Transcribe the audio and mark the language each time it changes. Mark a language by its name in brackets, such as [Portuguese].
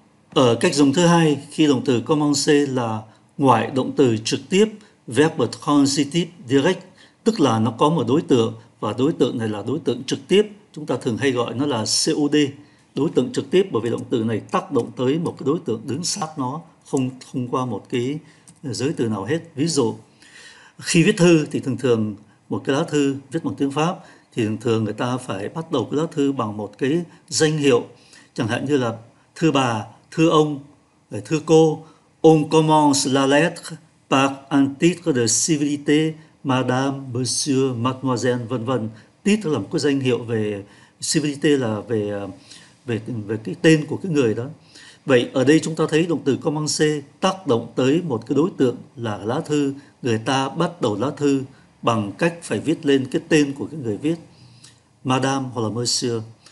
[Vietnamese] Ở cách dùng thứ hai, khi động từ commencer là ngoại động từ trực tiếp, [English] verb transitive direct, [Vietnamese] tức là nó có một đối tượng, và đối tượng này là đối tượng trực tiếp, chúng ta thường hay gọi nó là COD, đối tượng trực tiếp, bởi vì động từ này tác động tới một cái đối tượng đứng sát nó, không thông qua một cái giới từ nào hết. Ví dụ, khi viết thư thì thường thường một cái lá thư viết bằng tiếng Pháp thì thường thường người ta phải bắt đầu cái lá thư bằng một cái danh hiệu, chẳng hạn như là thưa bà, thưa ông, thưa cô. [French] On commence la lettre par un titre de civilité, madame, monsieur, mademoiselle, vân vân. [Vietnamese] Titre là một cái danh hiệu, về civilité là về cái tên của cái người đó. Vậy ở đây chúng ta thấy động từ commencer tác động tới một cái đối tượng là lá thư, người ta bắt đầu lá thư bằng cách phải viết lên cái tên của cái người viết, madame hoặc là monsieur.